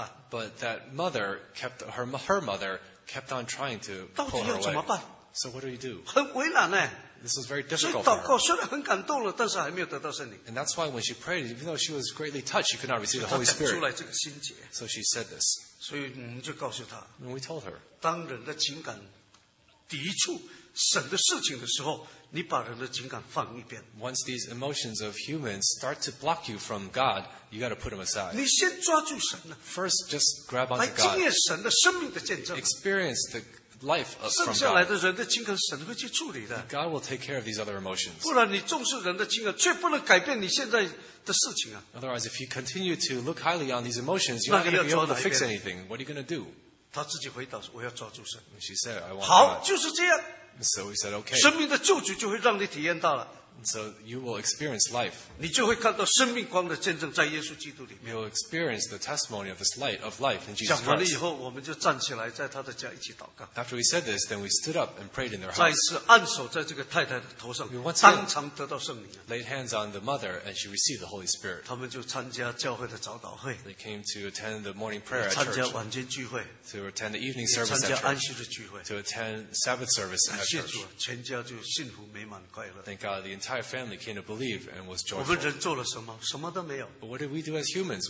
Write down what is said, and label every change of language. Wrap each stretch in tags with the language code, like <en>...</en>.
<en>But that mother kept, her mother kept on trying to pull her away. So what do you do?</en> <zh>很为难呢。</zh> <en>This was very difficult.</en> <zh>所以祷告虽然很感动了，但是还没有得到圣灵。</zh> <en>And that's why when she prayed, even though she was greatly touched, she could not receive the Holy Spirit.</en> <zh>她讲出来这个心结。</zh> <en>So she said this.</en> <zh>所以我们就告诉她。</zh> <en>And we told her.</en> <zh>当人的情感抵触神的事情的时候，你把人的情感放一边。</zh> <en>Once these emotions of humans start to block you from God, you got to put them aside.</en> <zh>你先抓住神呢。</zh> <en>First, just grab onto God.</en> <zh>来经验神的生命的见证。</zh> <en>Experience the. Life from God.</en> <zh>剩下来的人的情感，神会去处理的。</zh> <en>God will take care of these other emotions.</en> <zh>不然你重视人的情感，却不能改变你现在的事情啊。</zh> <en>Otherwise, if you continue to look highly on these emotions, you're not going to be able to fix anything. What are you going to do?</en> <zh>他自己回答说：“我要抓住神。”</zh> <en>She said, "I want God."</en> <zh>好，就是这样。</zh> <en>So he said, "Okay."</en> <zh>生命的救主就会让你体验到了。</zh> <en>So you will experience life.</en> <zh>你就会看到生命光的见证在耶稣基督里面。</zh> <en>You'll experience the testimony of this light of life in Jesus Christ.</en> <zh>讲完了以后，我们就站起来，在他的家一起祷告。</zh> <en>After we said this, then we stood up and prayed in their house.</en> <zh>再次按手在这个太太的头上，当场得到圣灵。</zh> <en>Laid hands on the mother, and she received the Holy Spirit.</en> <zh>他们就参加教会的早祷会。</zh> <en>They came to attend the morning prayer at church.</en> <zh>参加晚间聚会。</zh> <en>To attend the evening service at church.</en> <zh>参加安息的聚会。</zh> <en>To attend Sabbath service at church.</en> <zh>全家就幸福美满快乐。</zh> <en>Thank God, the entire family came to believe and was joyful. But what did we do as humans?</en>